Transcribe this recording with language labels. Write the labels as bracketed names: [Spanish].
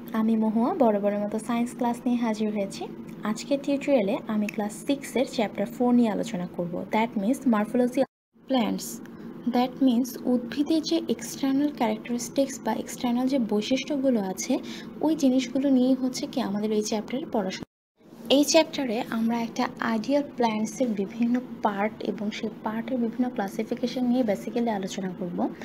[Bangla] আমি মহুয়া বড় বড় মতো সায়েন্স ক্লাস নিয়ে হাজির হয়েছি। আজকে টিউটোরিয়ালে আমি ক্লাস 6 এর চ্যাপ্টার 4 নিয়ে আলোচনা করব। [English] That means morphology of plants. That means [Bangla] উদ্ভিদে যে এক্সটারনাল ক্যারেক্টারিস্টিক্স বা এক্সটারনাল যে বৈশিষ্ট্যগুলো আছে ওই জিনিসগুলো নিয়ে হচ্ছে কি আমাদের এই চ্যাপ্টারে পড়াশোনা। এই চ্যাপ্টারে আমরা একটা আইডিয়াল প্ল্যান্টসের বিভিন্ন পার্ট এবং সেই পার্টের বিভিন্ন ক্লাসিফিকেশন নিয়ে বেসিক্যালি আলোচনা করব।